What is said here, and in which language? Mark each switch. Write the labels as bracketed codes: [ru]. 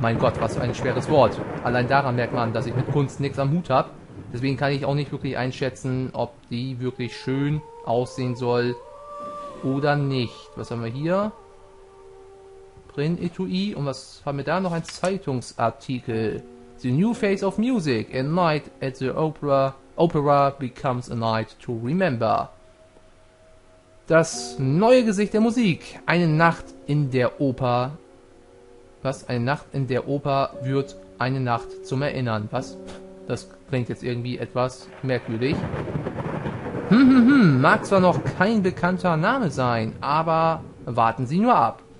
[de] Mein Gott, was für ein schweres Wort. Allein daran merkt man, dass ich mit Kunst nichts am Hut habe. Deswegen kann ich auch nicht wirklich einschätzen, ob die wirklich schön aussehen soll oder nicht. Was haben wir hier? Print-Etui. Und was haben wir da? Noch ein Zeitungsartikel. [en] The new face of music. A night at the Opera. Opera becomes a night to remember. [de] Das neue Gesicht der Musik. Eine Nacht in der Oper. Was? Eine Nacht in der Oper wird eine Nacht zum Erinnern. Was? Das klingt jetzt irgendwie etwas merkwürdig. Mag zwar noch kein bekannter Name sein, aber warten Sie nur ab.